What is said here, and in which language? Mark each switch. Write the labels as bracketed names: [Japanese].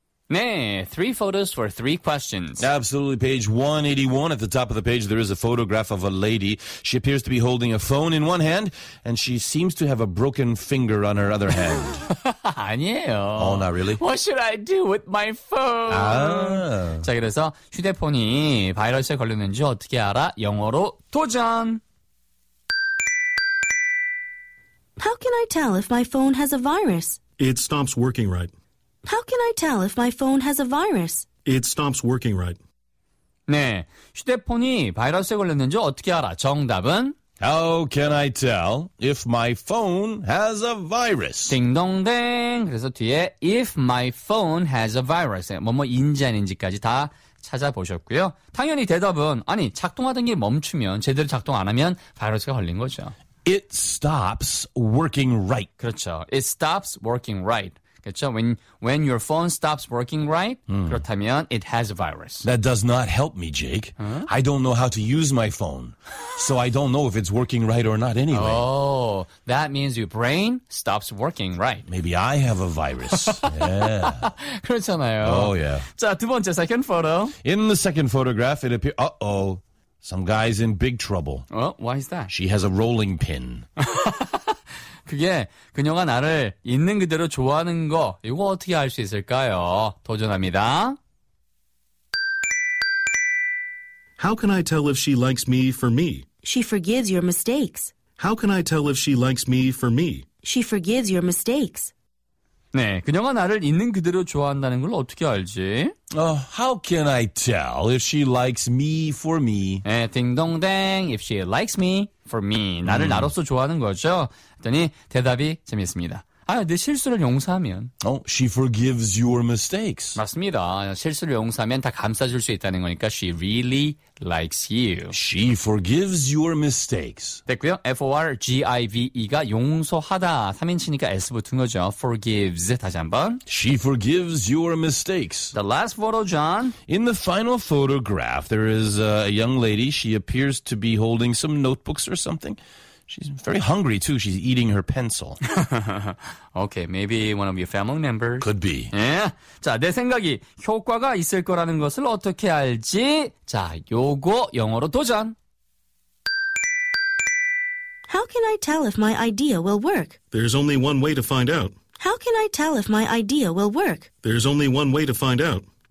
[English] Nay, 3 photos for 3 questions. Absolutely. Page 181. At the top of the page, there is a photograph of a lady. She appears to be holding a phone in one hand, and she seems to have a broken finger on her other hand. [Korean] 아니에요. [English] Oh, not really? What should I do with my phone? [Korean] 아. 자, 그래서 휴대폰이 바이러스에 걸렸는지 어떻게 알아? 영어로 도전! [English] How can I tell if my phone has a virus? It stops working right. How can I tell if my phone has a virus? It stops working right. [Korean] 네, 휴대폰이 바이러스에 걸렸는지 어떻게 알아? 정답은? [English] How can I tell if my phone has a virus? [Korean] 딩동댕. 그래서 뒤에 [English] if my phone has a virus. [Korean] 뭐뭐 인지 아닌지까지 다 찾아보셨고요. 당연히 대답은 아니, 작동하던 게 멈추면, 제대로 작동 안 하면 바이러스가 걸린 거죠. [English] It stops working right. [Korean] 그렇죠. [English] It stops working right. [Korean] 그렇죠? [English] When your phone stops working right, [Korean] 그렇다면 [English] it has a virus. That does not help me, Jake. Huh? I don't know how to use my phone, so I don't know if it's working right or not anyway. Oh, that means your brain stops working right. Maybe I have a virus. Yeah. [Korean] 그렇잖아요. [English] Oh, yeah. [Korean] 자, 두 번째, [English] second photo. In the second photograph, it appears, uh-oh, some guy's in big trouble. Oh, why is that? She has a rolling pin. [Korean] 그게 그녀가 나를 있는 그대로 좋아하는 거 이거 어떻게 알 수 있을까요? 도전합니다. [English] How can I tell if she likes me for me? She forgives your mistakes. How can I tell if she likes me for me? She forgives your mistakes. [Korean] 네, 그녀가 나를 있는 그대로 좋아한다는 걸 어떻게 알지? [English] How can I tell if she likes me for me? [Korean] 네, 딩동댕, [English] if she likes me for me. [Korean] 나를 나로서 좋아하는 거죠? 했더니 대답이 재밌습니다. 아, 내 실수를 용서하면. [English] Oh, she forgives your mistakes. [Korean] 맞습니다. 실수를 용서하면 다 감싸줄 수 있다는 거니까 [English] she really likes you. She forgives your mistakes. [Korean] 됐고요. F-O-R-G-I-V-E가 용서하다. 3인칭이니까 S 붙은 거죠. Forgives. 다시 한번. [English] She forgives your mistakes. The last photo, John. In the final photograph, there is a young lady. She appears to be holding some notebooks or something. She's very hungry, too. She's eating her pencil. Okay, maybe one of your family members. Could be. Yeah. [Korean] 자, 내 생각이 효과가 있을 거라는 것을 어떻게 알지? 자, 요거 영어로 도전! [English] How can I tell if my idea will work? There's only one way to find out. How can I tell if my idea will work? There's only one way to find out.